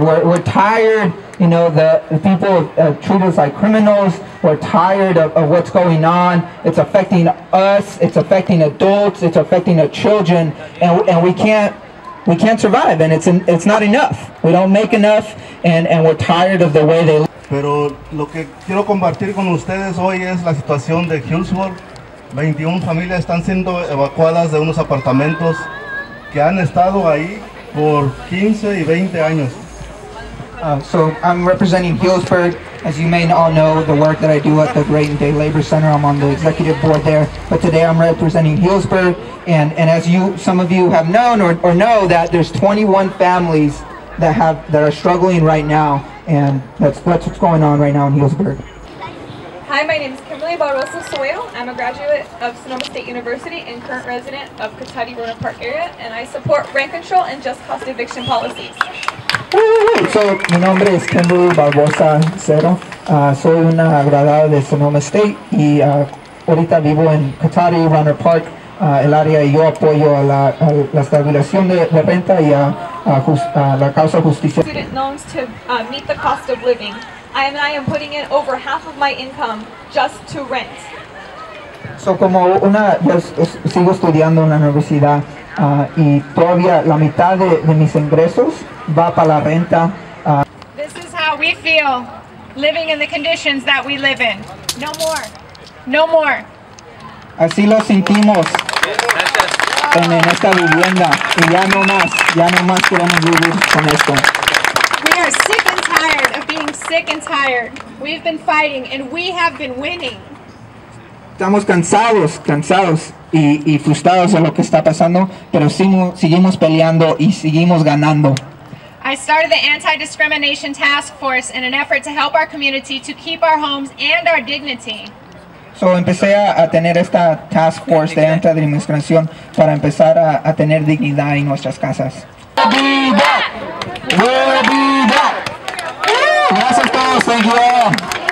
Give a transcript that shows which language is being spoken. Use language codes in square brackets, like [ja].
[en] We're tired, you know, the people treat us like criminals. We're tired of what's going on. It's affecting us. It's affecting adults. It's affecting our children. And we can't survive. And it's not enough. We don't make enough. And we're tired of the way they live. [es] Pero lo que quiero compartir con ustedes hoy es la situación de Hillsborough. 21 familias están siendo evacuadas de unos apartamentos que han estado ahí por 15 y 20 años. [en] So I'm representing Hillsborough. As you may all know, the work that I do at the Great Day Labor Center, I'm on the executive board there. But today I'm representing Hillsborough. And as some of you have known or know that there's 21 families that are struggling right now. And that's what's going on right now in Hillsborough. Hi, my name is Kimberly Barroso Soyo. I'm a graduate of Sonoma State University and current resident of Cotati Runa Park area, and I support rent control and just cost eviction policies. [es] So, mi nombre es Kimberly Barroso Soyo. Soy una graduada de Sonoma State y ahorita vivo en Cotati Runa Park. El área y yo apoyo a la estabilización de renta y a la causa justicia. [en] Student loans to meet the cost of living. I am putting in over half of my income just to rent. [es] So como sigo estudiando en la universidad y todavía la mitad de mis ingresos va para la renta. [en] This is how we feel living in the conditions that we live in. No more. No more. [es] Así lo sentimos en esta vivienda y ya no más queremos vivir con esto. [en] We are sick and tired of being sick and tired. We've been fighting and we have been winning. [es] Estamos cansados y frustrados de lo que está pasando, pero seguimos peleando y seguimos ganando. [en] I started the anti-discrimination task force in an effort to help our community to keep our homes and our dignity. [es] So empecé a tener esta [en] task force [es] de anti-discriminación para empezar a tener dignidad en nuestras casas. [en] We'll be back. [es] Gracias a todos, [en] thank you all.